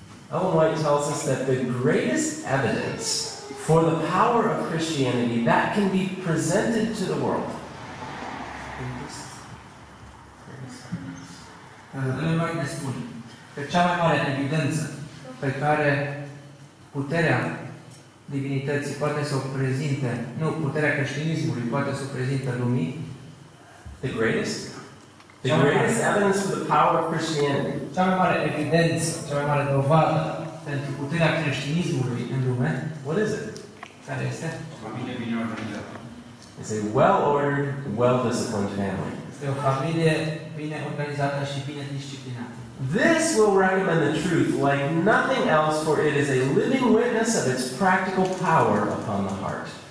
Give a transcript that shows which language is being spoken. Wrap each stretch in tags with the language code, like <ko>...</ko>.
<en>Ellen White tells us that the greatest evidence for the power of Christianity that can be presented to the world.</en> <ro>Ellen White ne spune că cea mai mare evidență pe care puterea divinității poate să o prezinte, nu, puterea creștinismului poate să o prezinte lumii.</ro> <en>The greatest evidence for the power of Christianity.</en> <ro>Cea mai mare evidență, cea mai mare dovadă pentru puterea creștinismului în lume.</ro> <en>What is it?</en> <ro>Care este? Familia bine organizată.</ro> <en>It's a well-ordered, well-disciplined family.</en> <ro>Este o familie bine organizată și bine disciplinată.</ro> <en>This will recommend the truth like nothing else, for it is a living witness of its practical power upon the heart.</en>